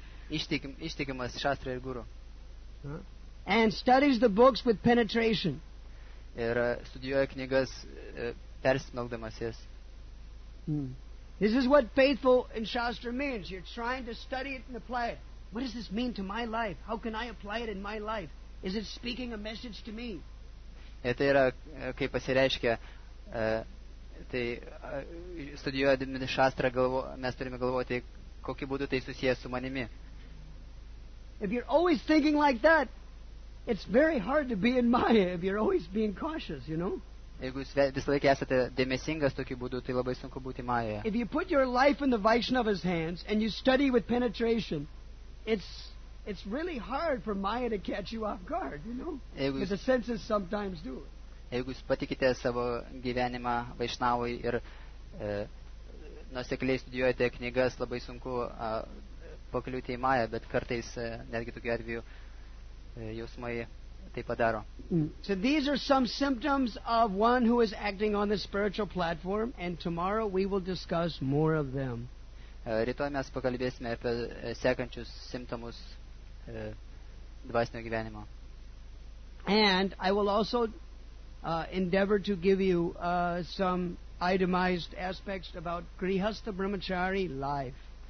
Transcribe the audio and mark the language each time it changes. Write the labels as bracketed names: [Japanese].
[Lithuanian] Ištikimas Shastra ir Guru. [English] And studies the books with penetration. [Lithuanian] Ir studijuoja knygas persmelkdamas jas. [English] This is what faithful in Shastra means. You're trying to study it and apply it. What does this mean to my life? How can I apply it in my life? Is it speaking a message to me? [Lithuanian] Tai yra, kaip pasireiškia, tai studijuodami Shastra, mes turime galvoti, kokį būdų tai susijęs su manimi. [English] If you're always thinking like that, it's very hard to be in Maya if you're always being cautious, you know? [Lithuanian] Jeigu jūs visą laiką esate dėmesingas tokiu būdu, tai labai sunku būti Maja. [English] If you put your life in the Vaishnava's hands and you study with penetration, it's really hard for Maya to catch you off guard, you know? Because the senses sometimes do. [Lithuanian] Jeigu jūs patikite savo gyvenimą Vaishnavui ir nuosekliai studijuojate knygas, labai sunku pakliūti į Maja, bet kartais netgi tokiu atveju jausmai tai padaro. [English] So these are some symptoms of one who is acting on the spiritual platform, and tomorrow we will discuss more of them. [Lithuanian] Rytoj mes pakalbėsime apie sekančius simptomus dvasinio gyvenimo. [English] And I will also endeavor to give you some itemized aspects about grihastha brahmachari life.